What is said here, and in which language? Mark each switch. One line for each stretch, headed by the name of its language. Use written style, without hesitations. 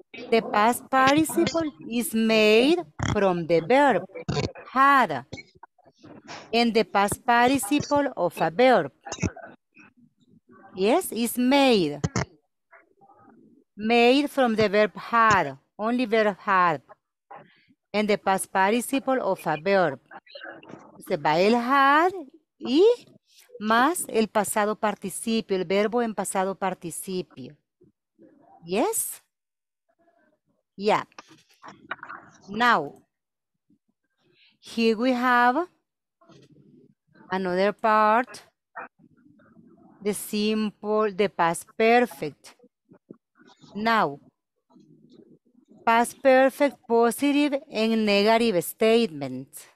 English: The past participle is made from the verb had and the past participle of a verb. Yes, is made. Made from the verb had, only verb had, and the past participle of a verb.
Spanish: Se va el had y más el pasado participio, el verbo en pasado participio.
English: Yes? Yeah. Now, here we have another part, the simple, the past perfect. Now, past perfect positive and negative statement.